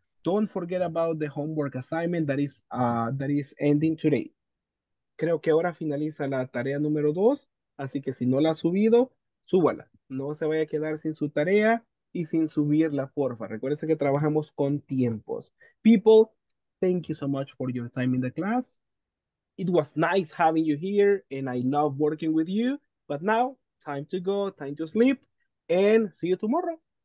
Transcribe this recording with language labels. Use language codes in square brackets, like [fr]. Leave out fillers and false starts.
[en] Don't forget about the homework assignment that is ending today. [es] Creo que ahora finaliza la tarea número 2, así que si no la ha subido, súbala. No se vaya a quedar sin su tarea y sin subirla, porfa. Recuerden que trabajamos con tiempos. [en] People, thank you so much for your time in the class. It was nice having you here, and I love working with you. But now, time to go, time to sleep, and see you tomorrow.